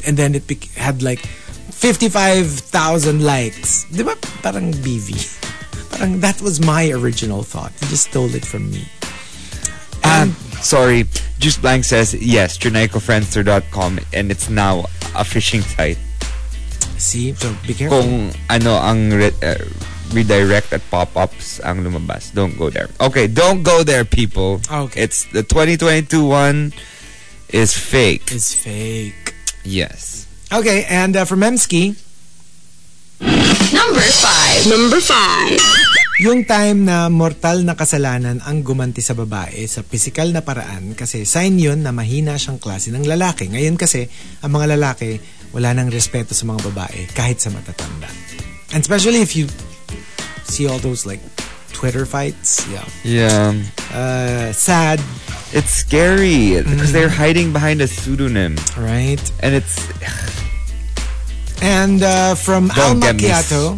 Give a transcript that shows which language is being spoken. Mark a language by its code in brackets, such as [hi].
[en] And then it had like 55,000 likes. [tl] Di ba? [en] Parang BV. That was my original thought. You just stole it from me. Sorry, Juice Blank says, yes, trinaicofriendster.com and it's now a phishing site. See, so be careful. [tl] Kung ano ang redirect at pop-ups ang lumabas. [en] Don't go there. Okay, don't go there, people. Okay. It's the 2022 one is fake. It's fake. Yes. Okay, and for Memski... Number 5. [tl] Yung time na mortal na kasalanan ang gumanti sa babae sa physical na paraan kasi sign yun na mahina siyang klase ng lalaki. Ngayon kasi, ang mga lalaki wala nang respeto sa mga babae kahit sa matatanda. [en] And especially if you see all those like Twitter fights. Yeah. Sad. It's scary because they're hiding behind a pseudonym. Right. And it's... And from Al Macchiato.